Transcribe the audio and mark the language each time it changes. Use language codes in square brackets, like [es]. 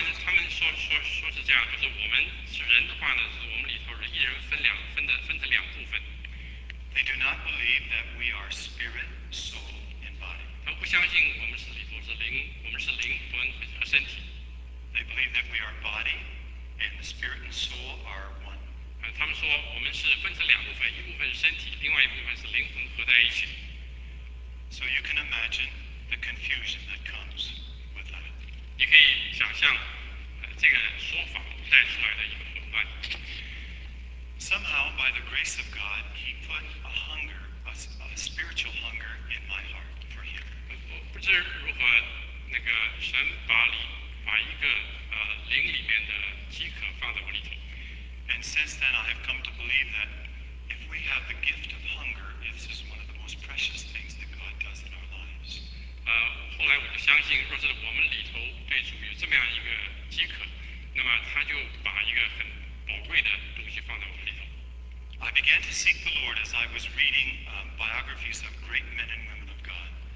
[zh] 他们说是这样，就是我们是人的话呢，就是我们里头是一人分成两部分。 [en] They do not believe that we are spirit, soul, and body. [zh] 他们不相信我们是里头是灵，我们是灵魂和身体。 [en] They believe that we are body, and the spirit and soul are one. [zh] 他们说我们是分成两部分，一部分是身体，另外一部分是灵魂合在一起。 [en] So you can imagine the confusion that comes with that. [zh] 你可以想象。这个说法带出来的一个混乱。 [en] Somehow by the grace of God, He put a hunger, a spiritual hunger in my heart for Him. [zh] 不知如何，那个神把一个灵里面的饥渴放在我里头。 [en] And since then, I have come to believe that if we have the gift of hunger, this is one of the most precious things that God does in our lives. [zh] 后来我就相信，若是我们里头对主有这么样一个饥渴，那么他就把一个很宝贵的东西放在我里头。 [en] I began to seek the Lord as I was reading biographies of great men and women of God.